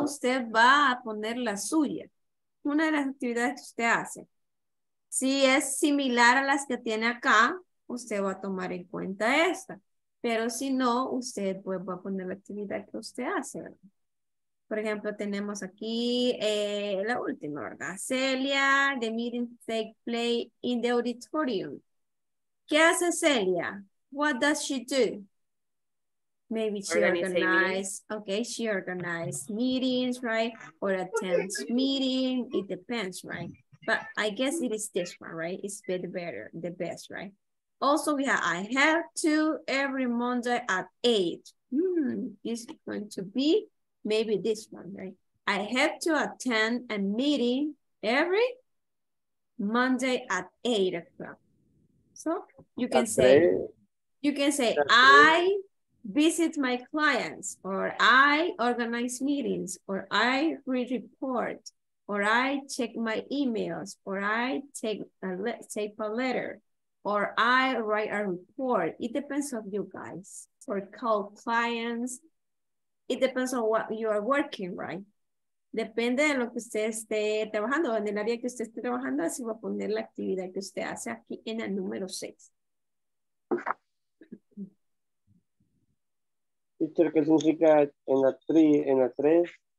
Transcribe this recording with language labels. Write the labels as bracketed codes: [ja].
[es] Usted va a poner la suya. Una de las actividades que usted hace. Si es similar a las que tiene acá, usted va a tomar en cuenta esta. Pero si no, usted pues, va a poner la actividad que usted hace, ¿verdad? Por ejemplo, tenemos aquí la última, ¿verdad? [en] Celia, the meeting take place in the auditorium. [es] ¿Qué hace Celia? [en] What does she do? Maybe she organizes, okay, she organizes meetings, right? Or attends meeting, it depends, right? But I guess it is this one, right? It's better, the best, right? Also, we have, I have to every Monday at 8. This is going to be maybe this one, right? I have to attend a meeting every Monday at 8 o'clock. So you can say, I visit my clients, or I organize meetings, or I read reports, or I check my emails, or I tape a letter, or I write a report. It depends on you guys, or call clients. It depends on what you are working, right? [es] Depende de lo que usted esté trabajando, en el área que usted esté trabajando, así va a poner la actividad que usted hace aquí en el número 6. Teacher, ¿qué significa en la 3?